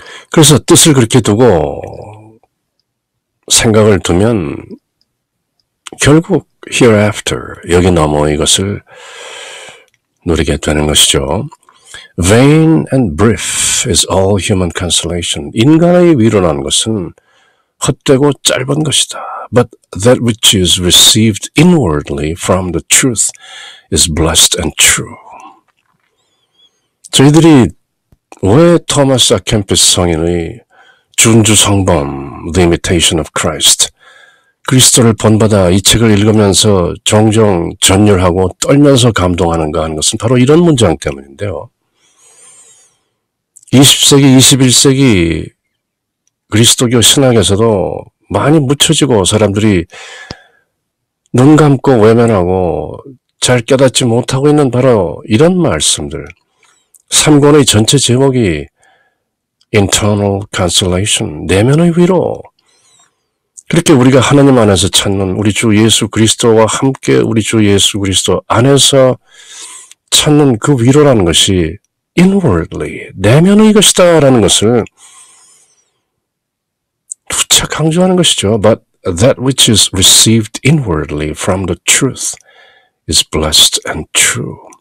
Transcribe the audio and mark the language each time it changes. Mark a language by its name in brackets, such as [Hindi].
[Korean] 그래서 뜻을 그렇게 두고 생각을 두면 결국 hereafter, 여기 넘어 이것을 누리게 되는 것이죠. [English] Vain and brief is all human consolation. [Korean] 인간의 위로라는 것은 헛되고 짧은 것이다. [English] But that which is received inwardly from the truth is blessed and true. [Korean] 저희들이 왜 토마스 아캠피스 성인의 준주 성범, The Imitation of Christ, 그리스도를 본받아 이 책을 읽으면서 종종 전율하고 떨면서 감동하는가 하는 것은 바로 이런 문장 때문인데요. 20세기, 21세기 그리스도교 신학에서도 많이 묻혀지고 사람들이 눈 감고 외면하고 잘 깨닫지 못하고 있는 바로 이런 말씀들. 3권의 전체 제목이 internal consolation, 내면의 위로. 그렇게 우리가 하나님 안에서 찾는 우리 주 예수 그리스도와 함께 우리 주 예수 그리스도 안에서 찾는 그 위로라는 것이 inwardly, 내면의 것이다 라는 것을 부차 강조하는 것이죠. [English] But that which is received inwardly from the truth is blessed and true.